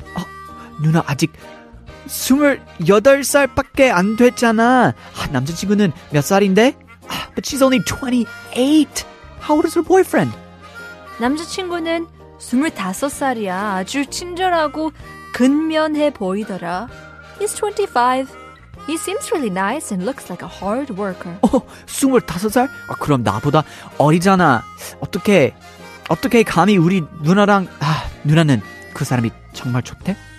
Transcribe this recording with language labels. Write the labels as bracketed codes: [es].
[ko] 어, 누나 아직 28살밖에 안 됐잖아. 아, 남자친구는 몇 살인데? [en] 아, but she's only 28. How old is her boyfriend? [ko] 남자친구는 25살이야. 아주 친절하고 근면해 보이더라. [en] He's 25. He seems really nice and looks like a hard worker. [ko] 어, 25살? 아, 그럼 나보다 어리잖아. 어떻게, 어떻게 감히 우리 누나랑, 아, 누나는 그 사람이 정말 좋대?